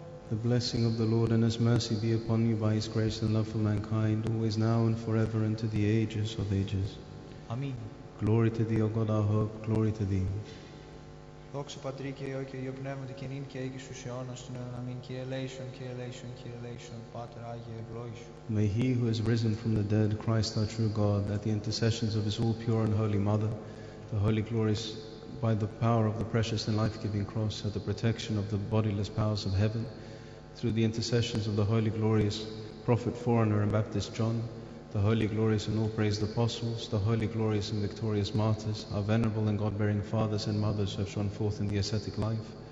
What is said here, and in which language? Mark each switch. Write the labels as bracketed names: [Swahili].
[English] The blessing of the Lord and his mercy be upon you by his grace and love for mankind, always, now, and forever, and to the ages of ages. Amen. Glory to thee, O God, our hope. Glory to thee. [Greek] Δόξα Πατρί και Υιό και Υιό Πνεύματι και νυν και αίγι στους αιώνας των αιώνων. Αμήν. Κύριε ελέησον, Κύριε ελέησον, Κύριε ελέησον, Πάτερ Άγιε, ευλόγησον. [English] May he who has risen from the dead, Christ our true God, at the intercessions of his all pure and holy mother, the holy glories by the power of the precious and life-giving cross, at the protection of the bodiless powers of heaven, through the intercessions of the holy glorious prophet foreigner and Baptist John, the holy glorious and all-praised apostles, the holy glorious and victorious martyrs, our venerable and God-bearing fathers and mothers who have shone forth in the ascetic life,